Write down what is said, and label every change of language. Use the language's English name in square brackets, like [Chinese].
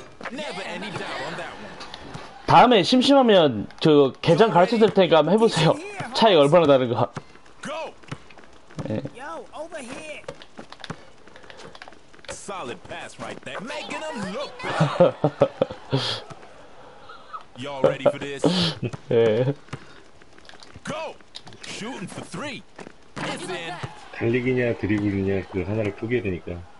[English] Never any doubt on that one. [Korean] 다음에 심심하면 저 계정 가르쳐 드릴 테니까 한번 해 보세요. 차이가 얼마나 다른 거. 예. [English] Yo, over here. Solid pass right there. Making him look. Y'all ready for this? Go! Shooting for three. It's in. [Korean] 달리기냐 드리블이냐 그 하나를 포기해야 되니까.